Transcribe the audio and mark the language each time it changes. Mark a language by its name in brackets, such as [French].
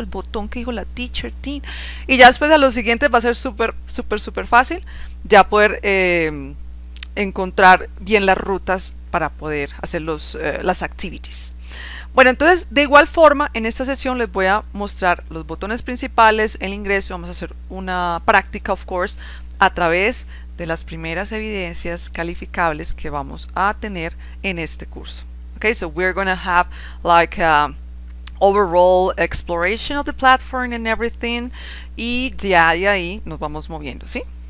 [Spanish] El botón que dijo la teacher team. Y ya después a los siguientes va a ser súper, súper, súper fácil ya poder encontrar bien las rutas para poder hacer las activities. Bueno, entonces, de igual forma, en esta sesión les voy a mostrar los botones principales, el ingreso, vamos a hacer una práctica, of course, a través de las primeras evidencias calificables que vamos a tener en este curso. [English] Okay, so we're going to have like an overall exploration of the platform and everything. [Spanish] Y ya de ahí nos vamos moviendo, ¿sí?